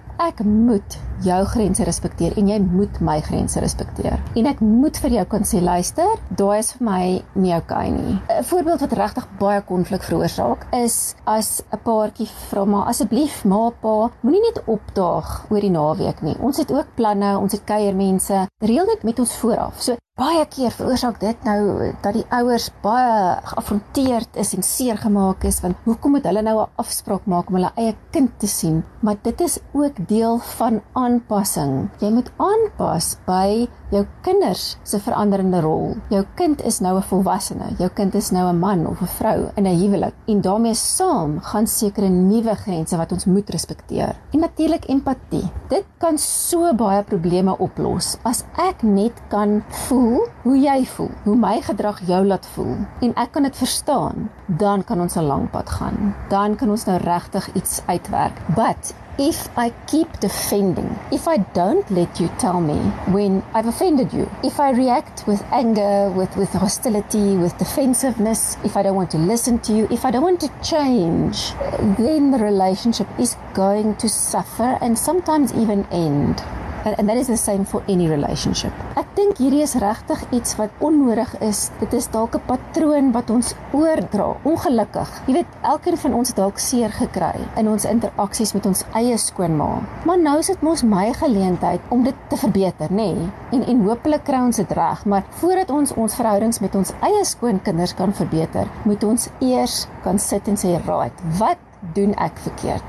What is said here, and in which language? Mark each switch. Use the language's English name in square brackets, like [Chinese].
[Afrikaans] Ek moet jou grense respekteer en jy moet my grense respekteer. En ek moet vir jou kan sê, luister, daai is vir my nie okay nie. 'N voorbeeld wat regtig baie konflik veroorsaak is as 'n paartjie vra maar asseblief ma pa, moenie net opdaag oor die naweek nie. Ons het ook planne, ons het kuiermense. Reël dit met ons vooraf. So baie keer veroorsaak dit nou dat die ouers baie geaffronteerd is en seer gemaak is, want hoekom moet hulle nou 'n afspraak maak om hulle eie kind te sien? Maar dit is ook deel van aanpassing. Jy moet aanpas by jou kinders se veranderende rol. Jou kind is nou 'n volwassene, jou kind is nou 'n man of 'n vrou in 'n huwelik en daarmee saam gaan sekere nuwe grense wat ons moet respekteer. En natuurlik empatie. Dit kan so baie probleme oplos as ek net kan voel hoe jy voel, hoe my gedrag jou laat voel en ek kan dit verstaan, dan kan ons 'n lang pad gaan. Dan kan ons nou regtig iets uitwerk. [English] But if I keep defending, if I don't let you tell me when I've offended you, if I react with anger, with hostility, with defensiveness, if I don't want to listen to you, if I don't want to change, then the relationship is going to suffer and sometimes even end. And that is the same for any relationship. [Afrikaans] Ek dink hierdie is regtig iets wat onnodig is. Dit is dalk 'n patroon wat ons oordra, ongelukkig. Jy weet, elkeen van ons het dalk seer gekry in ons interaksies met ons eie skoonma. Maar nou is dit mos my geleentheid om dit te verbeter, nê? En hopelik kry ons dit reg, maar voordat ons verhoudings met ons eie skoonkinders kan verbeter, moet ons eers kan sit en sê, "Right, wat doen ek verkeerd?